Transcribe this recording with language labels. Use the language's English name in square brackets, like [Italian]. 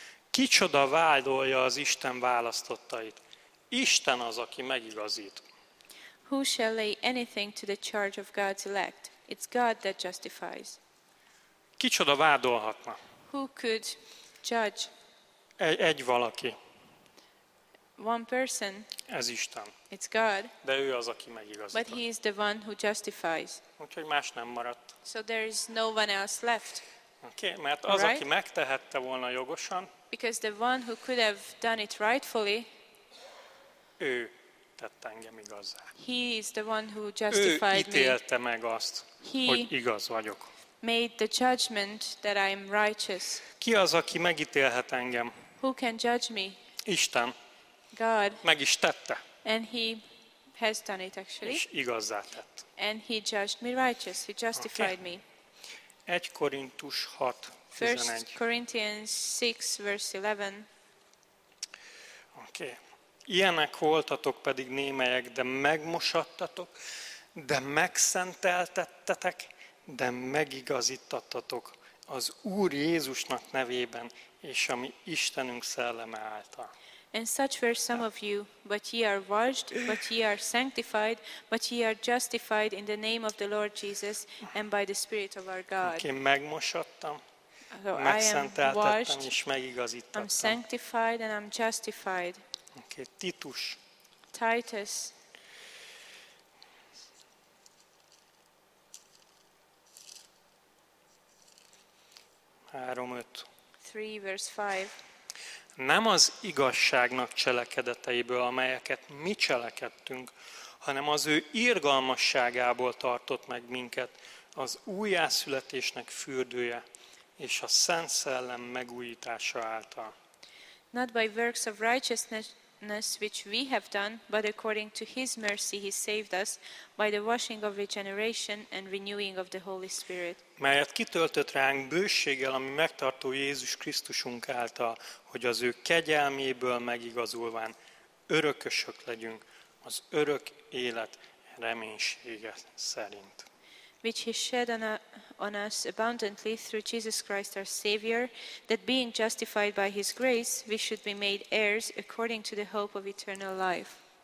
[Hungarian] Kicsoda vádolja az Isten választottait? Isten az, aki megigazít. [English] Who shall lay anything to the charge of God's elect? It's God that justifies. [Hungarian] Kicsoda vádolhatna? [English] Who could judge? [Hungarian] Egy valaki. [English] One person. [Hungarian] Ez Isten. [English] It's God. [Hungarian] De ő az, aki megigazít. [English] But he is the one who justifies. [Hungarian] Úgyhogy más nem maradt. [English] So there is no one else left. [Hungarian] Okay, mert az, right? Aki megtehette volna jogosan. [English] Because the one who could have done it rightfully. [Hungarian] Ő. Tett engem igazzá. [English] He is the one who justified [Hungarian] me. Ő ítélte meg azt, hogy igaz vagyok. [English] Made the judgment that I am righteous. [Hungarian] Ki az, aki megítélhet engem? [English] Who can judge me? [Hungarian] Isten. [English] God. [Hungarian] Meg is tette. [English] And he has done it actually. [Hungarian] És igazzá tett. [English] And he judged me righteous. He justified me. [Hungarian] 1 Korintus 6:11. [English] 1 Corinthians 6 verse 11. Okay. [Hungarian] Ilyenek voltatok pedig némelyek, de megmosattatok, de megszenteltettetek, de megigazítattatok az Úr Jézusnak nevében, és a mi Istenünk szelleme által. [English] And such were some of you, but ye are washed, but ye are sanctified, but ye are justified in the name of the Lord Jesus and by the Spirit of our God. [Hungarian] Én megmosattam, megszenteltettem és megigazítottam. [English] I'm sanctified and I'm justified. Oké, okay, Titus. Titus. [Hungarian] Oké, 3:5. [English] 3:5. [Hungarian] Nem az igazságnak cselekedeteiből, amelyeket mi cselekedtünk, hanem az ő irgalmasságából tartott meg minket az újjászületésnek fürdője és a Szent Szellem megújítása által. [English] Not by works of righteousness which we have done, but according to his mercy he saved us by the washing of regeneration and renewing of the Holy Spirit. [Hungarian] Melyet kitöltött ránk bőséggel, ami megtartó Jézus Krisztusunk által, hogy az ő kegyelméből megigazulván örökösök legyünk az örök élet reménysége szerint. [English] Which he shed on us abundantly through Jesus Christ our Savior, that being justified by his grace, we should be made heirs according to the hope of eternal life.